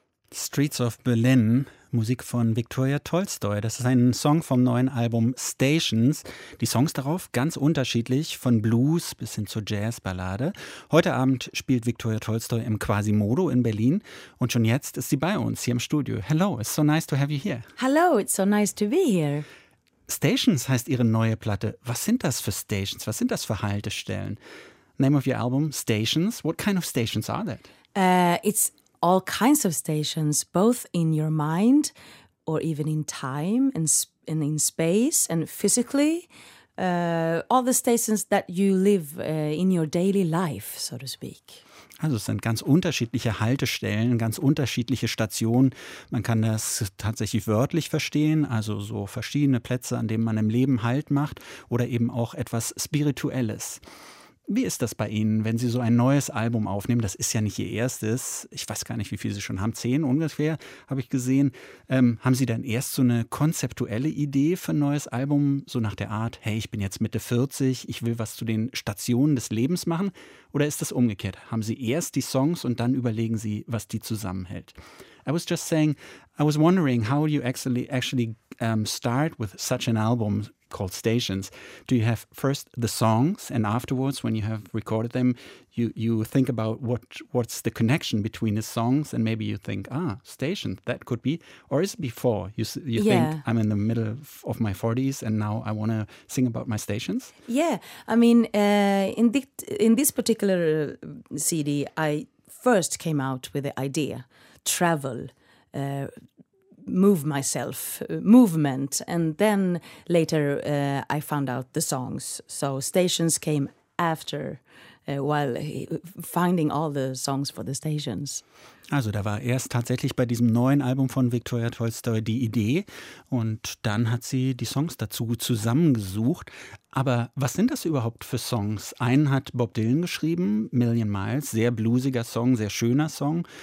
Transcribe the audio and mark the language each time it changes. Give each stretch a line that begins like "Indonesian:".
German: Streets of Berlin, Musik von Viktoria Tolstoi. Das ist ein Song vom neuen Album Stations. Die Songs darauf ganz unterschiedlich, von Blues bis hin zur Jazzballade. Heute Abend spielt Viktoria Tolstoi im Quasimodo in Berlin. Und schon jetzt ist sie bei uns hier im Studio.
English: Hello, it's so nice to have you here. Hello, it's so nice to be here.
German: Stations heißt ihre neue Platte. Was sind das für Stations? Was sind das für Haltestellen?
English: Name of your album, Stations. What kind of stations are that? It's all kinds of stations, both in your mind or even in time and in space and physically, all the stations that you live in your daily life, so to speak.
German: Also es sind ganz unterschiedliche Haltestellen, ganz unterschiedliche Stationen. Man kann das tatsächlich wörtlich verstehen, also so verschiedene Plätze, an denen man im Leben Halt macht oder eben auch etwas Spirituelles. Wie ist das bei Ihnen, wenn Sie so ein neues Album aufnehmen? Das ist ja nicht Ihr erstes. Ich weiß gar nicht, wie viel Sie schon haben. 10 ungefähr, habe ich gesehen. Haben Sie dann erst so eine konzeptuelle Idee für ein neues Album? So nach der Art, hey, ich bin jetzt Mitte 40, ich will was zu den Stationen des Lebens machen? Oder ist das umgekehrt? Haben Sie erst die Songs und dann überlegen Sie, was die zusammenhält?
English: I was just saying, I was wondering how you actually start with such an album called Stations. Do you have first the songs and afterwards when you have recorded them, you think about what's the connection between the songs and maybe you think, ah, Stations, that could be. Or is it before? You yeah. think I'm in the middle of my 40s and now I want to sing about my stations? Yeah. I mean, in this particular CD, I first came out with the idea, travel, move myself, movement, and then later I found out the songs. So Stations came after, while finding all the songs for the stations.
German: Also da war erst tatsächlich bei diesem neuen Album von Viktoria Tolstoi die Idee und dann hat sie die Songs dazu zusammengesucht. Aber was sind das überhaupt für Songs? Einen hat Bob Dylan geschrieben, Million Miles, sehr bluesiger Song, sehr schöner Song.